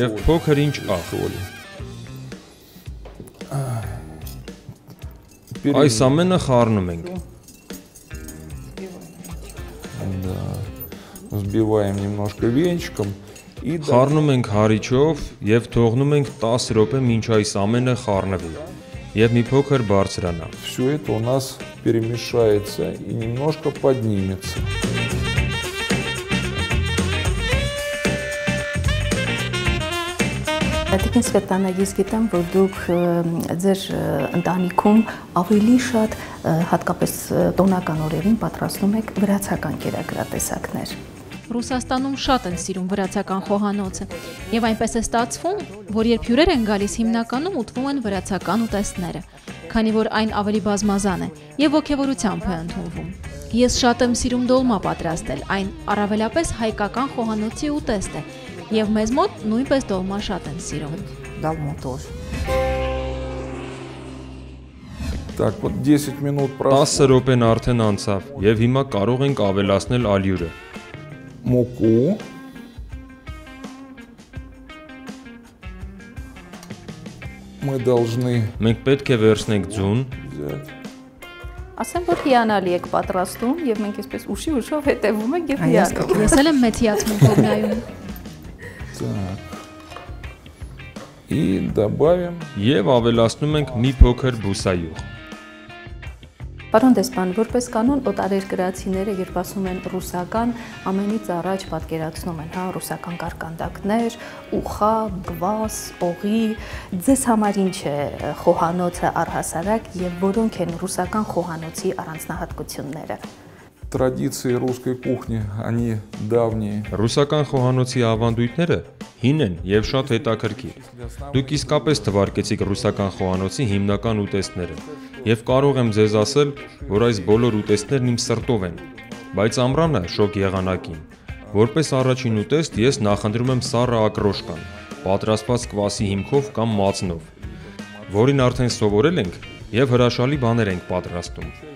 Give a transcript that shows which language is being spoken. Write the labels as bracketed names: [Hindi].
[Armenian] Եվ փոքրինչ աղ։ Այս ամենը խառնում ենք։ [Russian] Взбиваем немножко венчиком [Armenian] и խառնում ենք հարիչով եւ թողնում ենք 10 րոպե մինչ այս ամենը խառնվի եւ մի փոքր բարձրանա։ [Russian] Всё это у нас перемешается и немножко поднимется. [Armenian] Տիկին Սվետլանա, ես գիտեմ, որ դուք ձեր ընտանիքում ավելի շատ հատկապես տոնական օրերին պատրաստում եք վրացական կերակրատեսակներ։ Ռուսաստանում շատ են սիրում վրացական խոհանոցը, եւ այնպես է ստացվում, որ երբ հյուրեր են գալիս, հիմնականում ուտվում են վրացական ուտեստները, քանի որ այն ավելի բազմազան է եւ ոգեվորությամբ է ընդունվում։ Ես շատ եմ սիրում դոլմա պատրաստել, այն առավելապես հայկական խոհանոցի ուտեստ է։ Եվ մեզ մոտ նույնպես դոլմա շատ են սիրում։ [Russian] Դալմա տոշ։ Так, вот 10 минут прошло. [Armenian] 10 րոպեն արդեն անցավ եւ հիմա կարող ենք ավելացնել ալյուրը։ [Russian] Մոկո։ Мы должны [Armenian] Մենք պետք է վերցնենք ձուն։ Ասեմ, որ հիանալի եք պատրաստում եւ մենք այսպես ուշի ուշով հետեւում ենք եւ հիանալի։ Ես էլ եմ մեթիացնում կողնայում։ [Russian] Так. И добавим [Armenian] եւ ավելացնում ենք մի փոքր բուսայուղ։ Պարոն դեսպան, որպես կանոն օտարերկրացիները, երբ ասում են ռուսական, ամենից առաջ պատկերացնում են, հա, ռուսական կարկանդակներ, ուխա, գվաս, օղի։ Ձեզ համար ինչ է խոհանոցը առհասարակ եւ որոնք են ռուսական խոհանոցի առանձնահատկությունները։ [Russian] Традиции русской кухни, они давние. [Armenian] Ռուսական խոհանոցի ավանդույթները հին են եւ շատ հետաքրքիր։ Դուք իսկապես թվարկեցիք ռուսական խոհանոցի հիմնական ուտեստները եւ կարող եմ ձեզ ասել, որ այս բոլոր ուտեստներն իմ սրտով են, բայց ամռանը շոգ եղանակին, որպես առաջին ուտեստ ես նախընտրում եմ սառը ակրոշկան, պատրաստված կվասի հիմքով կամ մածնով, որին արդեն սովորել ենք եւ հրաշալի բաներ ենք պատրաստում։